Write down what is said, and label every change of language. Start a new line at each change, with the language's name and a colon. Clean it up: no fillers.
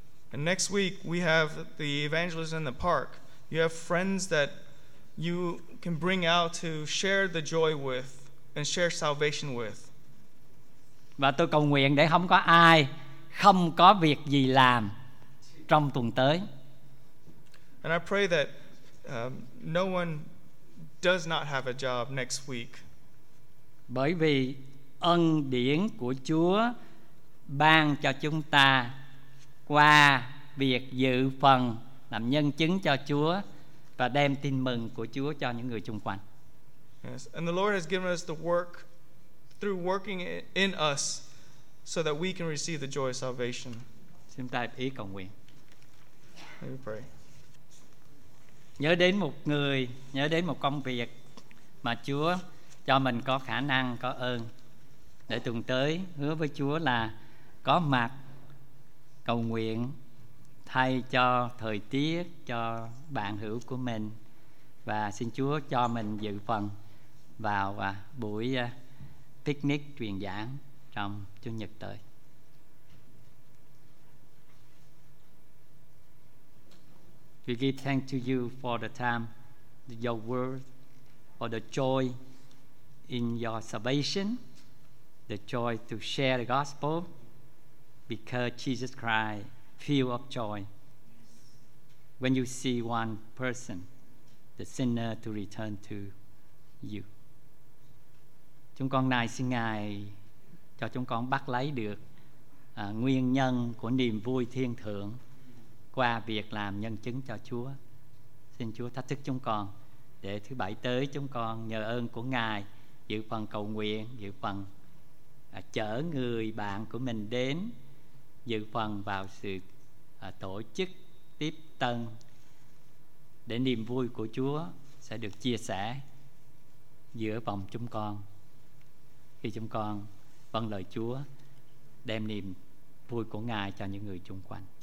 English: And next week we have the evangelist in the park. You have friends that you can bring out to share the joy with and share salvation with.
Vietnamese: Và tôi cầu nguyện để không có ai không có việc gì làm trong tuần tới.
English: And I pray that no one does not have a job next week.
Vietnamese: Bởi vì ân điển của Chúa ban cho chúng ta qua việc dự phần làm nhân chứng cho Chúa và đem tin mừng của Chúa cho những người xung quanh.
English: Yes. And the Lord has given us the work through working in us so that we can receive the joy of salvation.
Vietnamese: Xin ta ý cầu nguyện.
English: Let me pray.
Vietnamese: Nhớ đến một người, nhớ đến một công việc mà Chúa cho mình có khả năng, có ơn. Để tuần tới hứa với Chúa là có mặt cầu nguyện thay cho thời tiết, cho bạn hữu của mình, và xin Chúa cho mình dự phần vào buổi picnic truyền giảng trong Chủ nhật tới.
English: We give thanks to you for the time, your word, for the joy in your salvation, the joy to share the gospel, because Jesus Christ filled of joy when you see one person, the sinner, to return to you.
Vietnamese: Chúng con nài xin Ngài cho chúng con bắt lấy được nguyên nhân của niềm vui thiên thượng qua việc làm nhân chứng cho Chúa. Xin Chúa thách thức chúng con để thứ bảy tới chúng con nhờ ơn của Ngài giữ phần cầu nguyện, giữ phần chở người bạn của mình đến, dự phần vào sự tổ chức tiếp tân để niềm vui của Chúa sẽ được chia sẻ giữa vòng chúng con khi chúng con vâng lời Chúa đem niềm vui của Ngài cho những người chung quanh.